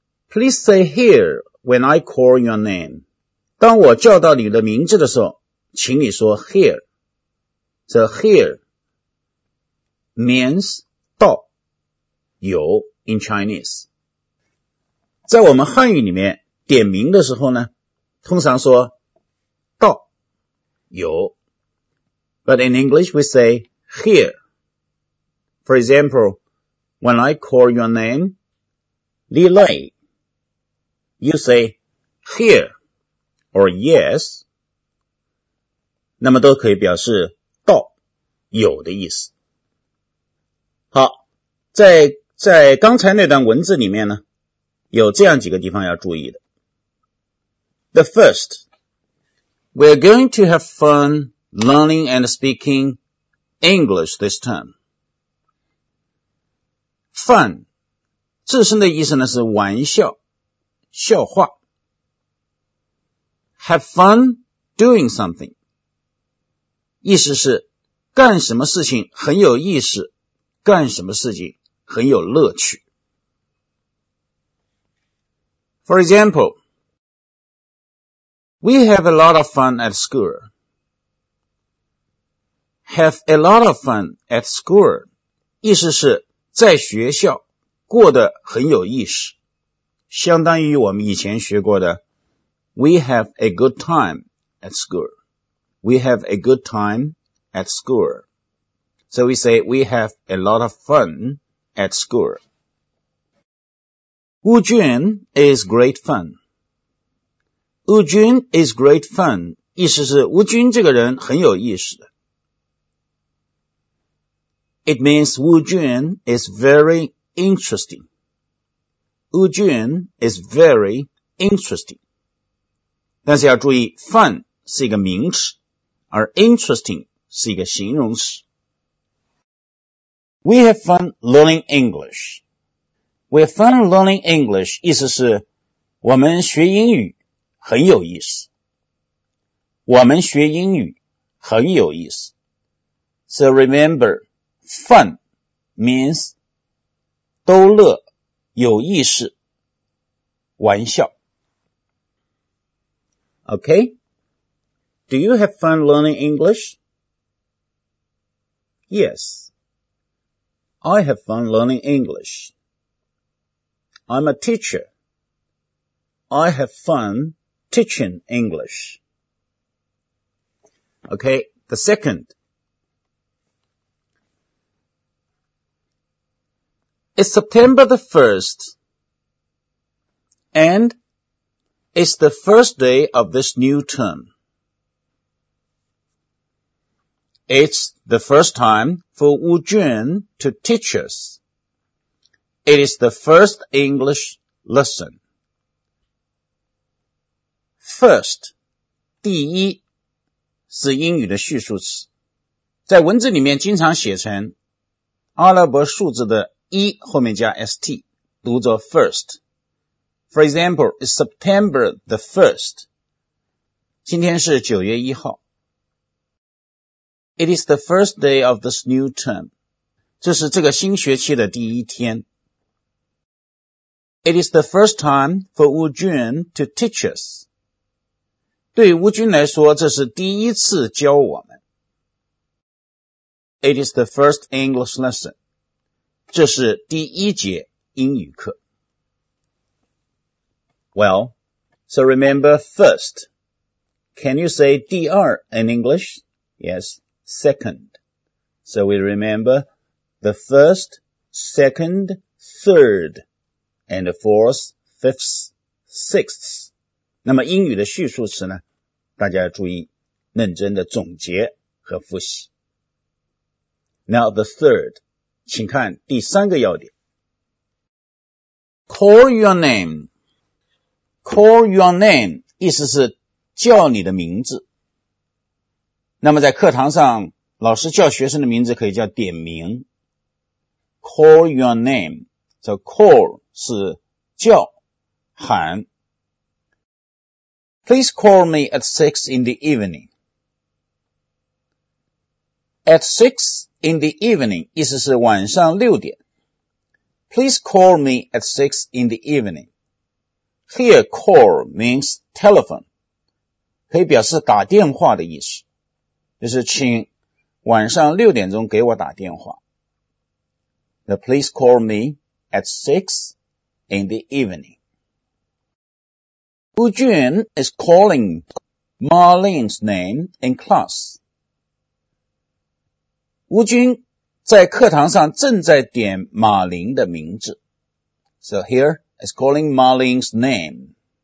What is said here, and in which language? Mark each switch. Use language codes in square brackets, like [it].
[en] Please say here when I call your name. [zh] 当我叫到你的名字的时候请你说 here. [en] So here means 到有 in Chinese. [zh] 在我们汉语里面点名的时候呢，通常说到有。 [en] But in English we say here. For example, when I call your name, Li Lei, you say here or yes. [zh] 那么都可以表示到有的意思。好，在刚才那段文字里面呢，有这样几个地方要注意的。 [en] The first, we're going to have fun learning and speaking English this term. [zh] Fun, 自身的意思呢是玩笑、笑话。 [en] Have fun doing something, [zh] 意思是干什么事情很有意思，干什么事情很有乐趣。 [en] For example,We have a lot of fun at school. Have a lot of fun at school. [zh] 意思是在学校过得很有意思。相当于我们以前学过的 [en] We have a good time at school. We have a good time at school. So we say we have a lot of fun at school. Wu Jun is great fun. [zh] 吴军 [en] is great fun, [zh] 意思是吴军这个人很有意思的。 [en] It means 吴军 is very interesting. 吴军 is very interesting. [zh] 但是要注意 fun 是一个名词，而 interesting 是一个形容词。 [en] We have fun learning English. We have fun learning English, [zh] 意思是我们学英语很有意思。我们学英语很有意思。 [en] So remember, fun means [zh] 逗乐、有意思、玩笑。 [en] Okay? Do you have fun learning English? Yes. I have fun learning English. I'm a teacher. I have funTeaching English. Okay, the second. It's September the 1st, and it's the first day of this new term. It's the first time for Wu Jun to teach us. It is the first English lesson. [zh] First, 第一是英语的序数词，在文字里面经常写成阿拉伯数字的一后面加 st, 读作 first. [en] For example, it's September the 1st. [zh] 今天是9月1号。 [en] It is the first day of this new term. [zh] 这是这个新学期的第一天。 [en] It is the first time for Wu Jun to teach us. [zh] 对于吴军来说，这是第一次教我们。 [en] It is the first English lesson. [zh] 这是第一节英语课。 [en] Well, so remember first. Can you say 第二 in English? Yes, second. So we remember the first, second, third, and fourth, fifth, sixth. [zh] 那么英语的序数词呢？大家注意认真的总结和复习。 [en] Now the third, [zh] 请看第三个要点。 [en] Call your name. Call your name, [zh] 意思是叫你的名字。那么在课堂上老师叫学生的名字可以叫点名。 [en] Call your name. So call [zh] 是叫喊。 [en] Please call me at 6 in the evening. At 6 in the evening, [zh] 意思是晚上6点。 [en] Please call me at 6 in the evening. Here, call means telephone. [zh] 可以表示打电话的意思。就是请晚上6点钟给我打电话。 [en] Now, please call me at 6 in the evening. Wu Jun is calling Ma Ling's name in class. [zh] 吴军在课堂上正在点马林的名字。 [en] So here is calling Ma Ling's name.